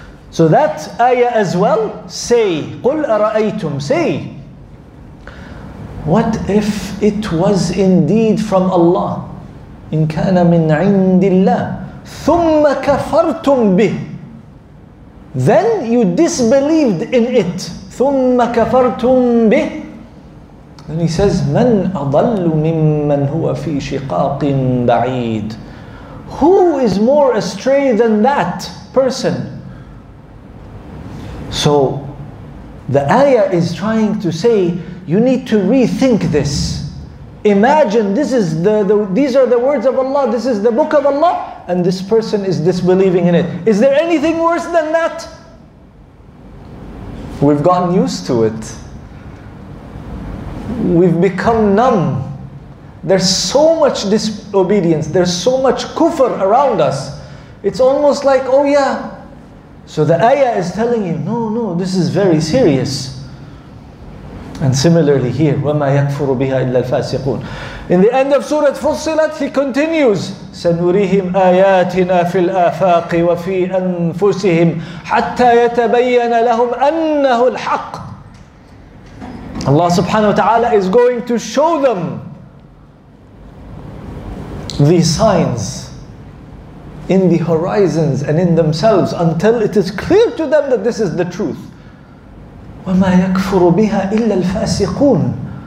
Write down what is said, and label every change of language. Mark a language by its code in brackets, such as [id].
[en] So that ayah as well, say, [ar] قُلْ أَرَأَيْتُمْ, [en] say, what if it was indeed from Allah? [ar] إِنْ كَانَ مِنْ عِنْدِ اللَّهِ ثُمَّ كَفَرْتُمْ بِهِ. [en] Then you disbelieved in it. [ar] ثُمَّ كَفَرْتُمْ بِهِ. [en] Then he says, [ar] مَنْ أَضَلُّ مِمَّنْ هُوَ فِي شِقَاقٍ بَعِيدٍ. [en] Who is more astray than that person? So the ayah is trying to say, you need to rethink this. Imagine this is these are the words of Allah, this is the book of Allah, and this person is disbelieving in it. Is there anything worse than that? We've gotten used to it. We've become numb. There's so much disobedience, there's so much kufr around us. It's almost like, oh yeah. So the ayah is telling you, no, this is very serious. And similarly here, [ar] وَمَا يَكْفُرُ بِهَا إِلَّا الْفَاسِقُونَ. [en] In the end of Surah Fussilat, he continues, [ar] سَنُرِيهِمْ آيَاتِنَا فِي الْآفَاقِ وَفِي أَنفُسِهِمْ حَتَّى يَتَبَيَّنَ لَهُمْ أَنَّهُ الْحَقِّ. [en] Allah subhanahu wa ta'ala is going to show them the signs in the horizons and in themselves until it is clear to them that this is the truth. [ar] وَمَا يَكْفُرُ بِهَا إِلَّا الْفَاسِقُونَ.